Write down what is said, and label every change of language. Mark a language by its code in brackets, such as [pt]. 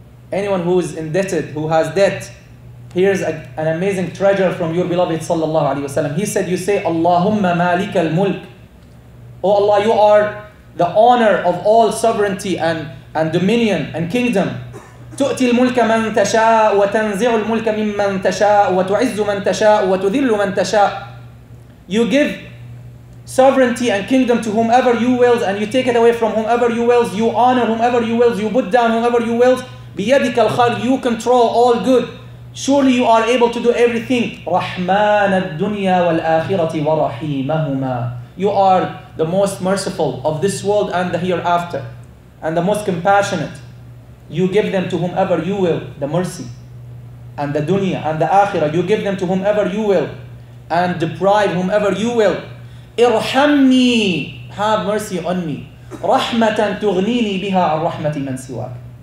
[en] Anyone who is indebted, who has debt, here's an amazing treasure from your beloved sallallahu alayhi wa sallam. He said, you say, [ar] Allahumma malika al-mulk. [en] Oh Allah, you are the owner of all sovereignty and dominion and kingdom. [ar] تؤتي الملك من تشاء وتنزع الملك ممن تشاء وتعز من تشاء وتذل من تشاء. [en] You give sovereignty and kingdom to whomever you wills, and you take it away from whomever you wills. You honor whomever you wills. You put down whomever you wills. [ar] بيدك الخير. [en] You control all good. Surely you are able to do everything. [ar] رحمن الدنيا والآخرة ورحيمهما. [en] You are the most merciful of this world and the hereafter, and the most compassionate. You give them to whomever you will, the mercy and the dunya and the akhirah. You give them to whomever you will and deprive whomever you will. [ar] Irhamni, [en] have mercy on me. [ar] Rahmatan tughnini biha ar-rahmati man siwak.